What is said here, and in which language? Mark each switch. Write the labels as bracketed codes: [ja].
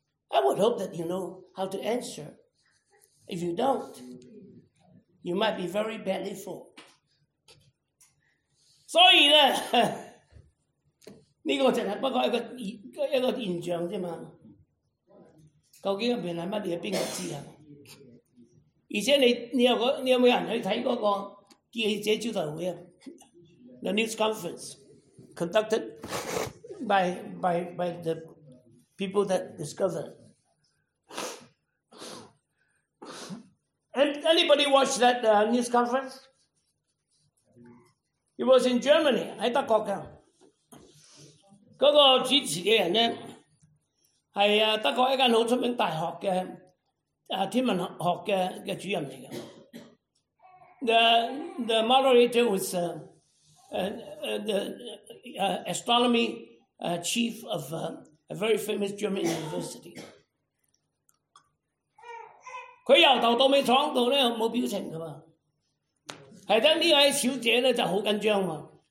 [en] I would hope that you know how to answer. If you don't, you might be very badly fooled. [zh] 所以呢这个只是不过一个现象而已，究竟原来是什么，谁知道？而且 你有没有人去看那个记者招待会？ [en] The news conference conducted by the people that discovered. Anybody watch that news conference? It was in Germany, [zh] 在德国的。那个主持的人呢，是德国一间很出名大学的天文學的主任來的。 [en] The moderator was the astronomy chief of a very famous German university. [zh] 他由頭到尾坐在那裡沒有表情的嘛，是的，這位小姐呢就很緊張嘛。